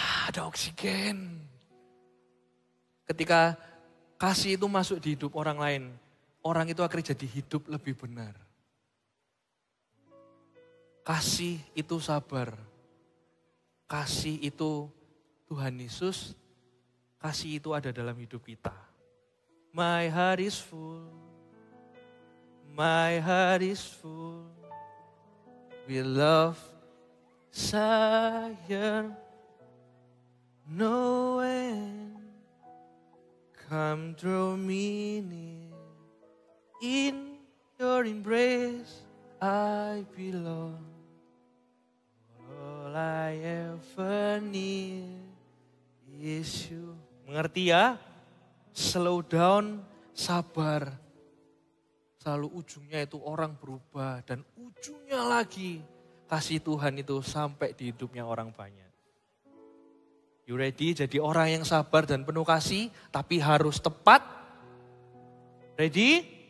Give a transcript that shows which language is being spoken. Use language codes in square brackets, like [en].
[id] Ada oksigen. Ketika kasih itu masuk di hidup orang lain, orang itu akan jadi hidup lebih benar. Kasih itu sabar. kasih itu Tuhan Yesus, kasih itu ada dalam hidup kita. [en] My heart is full, my heart is full with love, sire, no end, come draw me near, in your embrace I belong, all I ever need is you. [id] Mengerti ya? [en] Slow down, [id] sabar. Selalu ujungnya itu orang berubah. Dan ujungnya lagi kasih Tuhan itu sampai di hidupnya orang banyak. [en] You ready? [id] Jadi orang yang sabar dan penuh kasih. Tapi harus tepat. Ready?